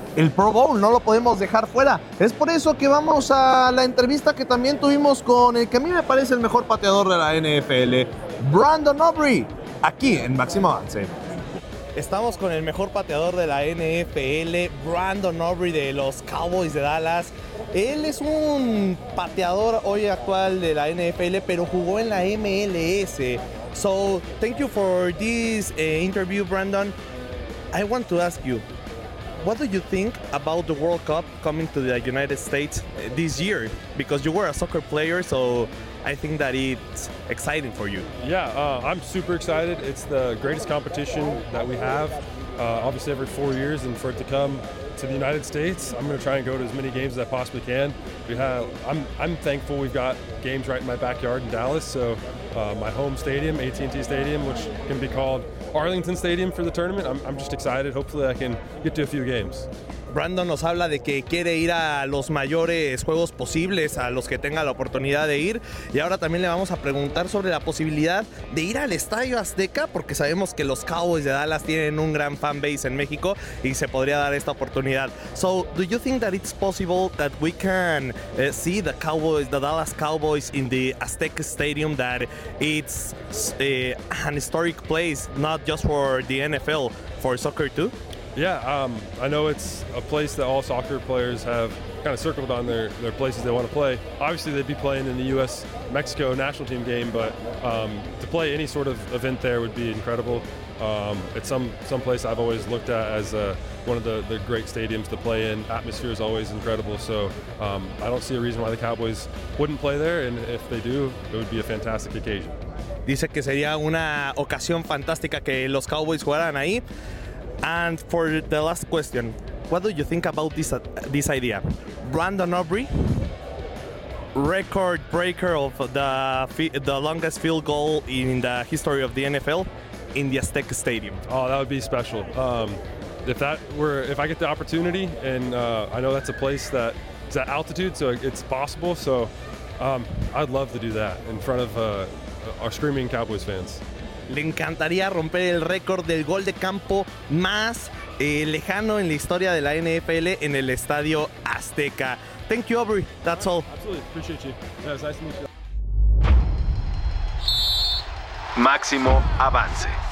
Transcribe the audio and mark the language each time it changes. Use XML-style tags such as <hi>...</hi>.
<es>El Pro Bowl no lo podemos dejar fuera. Es por eso que vamos a la entrevista que también tuvimos con el que a mí me parece el mejor pateador de la NFL, Brandon Aubrey, aquí en Máximo Avance. Estamos con el mejor pateador de la NFL, Brandon Aubrey de los Cowboys de Dallas. Él es un pateador hoy actual de la NFL, pero jugó en la MLS.</es> <en>So, thank you for this interview, Brandon. I want to ask you, what do you think about the World Cup coming to the United States this year? Because you were a soccer player, so I think that it's exciting for you. Yeah, I'm super excited. It's the greatest competition that we have, obviously every 4 years, and for it to come to the United States, I'm gonna try and go to as many games as I possibly can. I'm thankful we've got games right in my backyard in Dallas, so my home stadium, AT&T Stadium, which can be called Arlington Stadium for the tournament. I'm just excited. Hopefully I can get to a few games.</en> <es>Brandon nos habla de que quiere ir a los mayores juegos posibles, a los que tenga la oportunidad de ir. Y ahora también le vamos a preguntar sobre la posibilidad de ir al Estadio Azteca, porque sabemos que los Cowboys de Dallas tienen un gran fan base en México y se podría dar esta oportunidad.</es> <en>So, do you think that it's possible that we can see the Cowboys, the Dallas Cowboys in the Azteca Stadium, that it's an historic place, not just for the NFL, for soccer too? Yeah, I know it's a place that all soccer players have kind of circled on their places they want to play. Obviously, they'd be playing in the U.S.-Mexico national team game, but to play any sort of event there would be incredible. It's some place I've always looked at as one of the great stadiums to play in. Atmosphere is always incredible, so I don't see a reason why the Cowboys wouldn't play there, and if they do, it would be a fantastic occasion.</en> <es>Dice que sería una ocasión fantástica que los Cowboys jugaran ahí.</es> <en>And for the last question, what do you think about this idea? Brandon Aubrey, record breaker of the longest field goal in the history of the NFL in the Azteca Stadium. Oh, that would be special. If I get the opportunity, and I know that's a place that is at altitude, so it's possible. So I'd love to do that in front of our screaming Cowboys fans.</en> <es>Le encantaría romper el récord del gol de campo más lejano en la historia de la NFL en el Estadio Azteca.</es> <en>Thank you, Aubrey. That's all. Absolutely. Appreciate you. Yeah, it was nice to meet you.</en> <es>Máximo avance.</es>